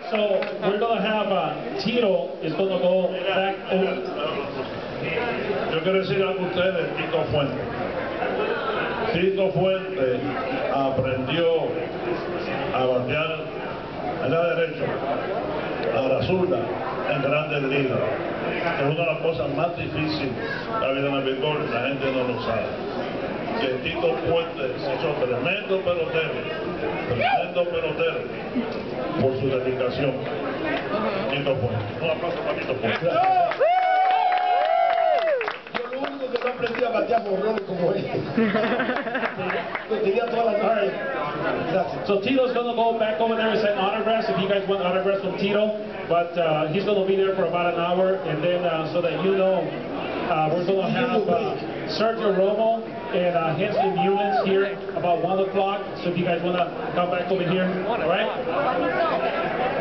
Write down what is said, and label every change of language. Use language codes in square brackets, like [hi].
[en] So we're gonna have Tito is gonna go back. [es] Yo quiero decir algo a ustedes, Tito Fuentes. Tito Fuentes aprendió a batear a la derecha, a la zurda, en grandes ligas. Es una de las cosas más difíciles de la vida en el béisbol, la gente no lo sabe. Que Tito Fuentes se hizo tremendo pelotero, por su dedicación. Tito Fuentes. Un aplauso para Tito Fuentes. Yo lo único que no aprendí a batear borrones como este. Tenía todas las manos. [en] So Tito's going to go back over there and sign autographs if you guys want autographs from Tito. But he's going to be there for about an hour. And then so that you know, we're going to have Sergio Romo and Henson Mullins here about 1 o'clock. So if you guys want to come back over here, all right?